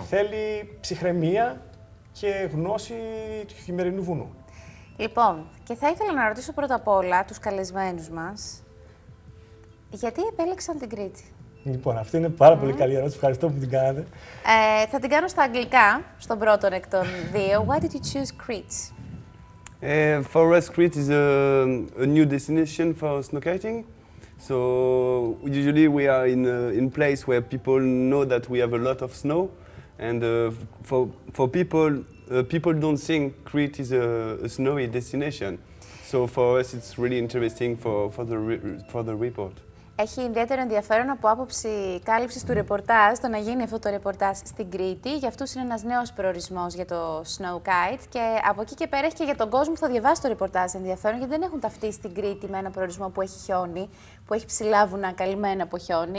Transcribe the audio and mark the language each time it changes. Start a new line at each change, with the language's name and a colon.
Greek: Θέλει ψυχραιμία και γνώση του χειμερινού βουνού. Λοιπόν, και θα ήθελα να ρωτήσω πρώτα απ' όλα τους καλεσμένους μας, γιατί επέλεξαν την Κρήτη. Λοιπόν, αυτή είναι πάρα πολύ καλή ερώτηση. Ευχαριστώ που την κάνατε. Θα την κάνω στα αγγλικά, στον πρώτον εκ των δύο.
English: Why did you choose Crete? For us, Crete is a new destination for snowkiting. So usually we are in place where people know that we have a lot of snow, and for people don't think Crete is a snowy destination. So for us it's really interesting for the report.
Greek: Έχει ιδιαίτερο ενδιαφέρον από άποψη κάλυψης του ρεπορτάζ το να γίνει αυτό το ρεπορτάζ στην Κρήτη. Για αυτούς είναι ένας νέος προορισμός για το snow kite. Και από εκεί και πέρα έχει και για τον κόσμο που θα διαβάσει το ρεπορτάζ ενδιαφέρον, γιατί δεν έχουν ταυτίσει στην Κρήτη με ένα προορισμό που έχει χιόνι, που έχει ψηλά βουνά καλυμμένα από χιόνι.